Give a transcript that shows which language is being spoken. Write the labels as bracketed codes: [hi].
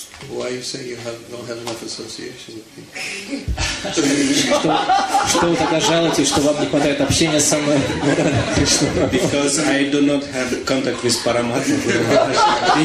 [en] Why are you saying you have, don't have enough association with me? [ru] Что вы тогда жалуете, что вам не хватает общения со мной? [en] Because I do not have contact with Paramatma.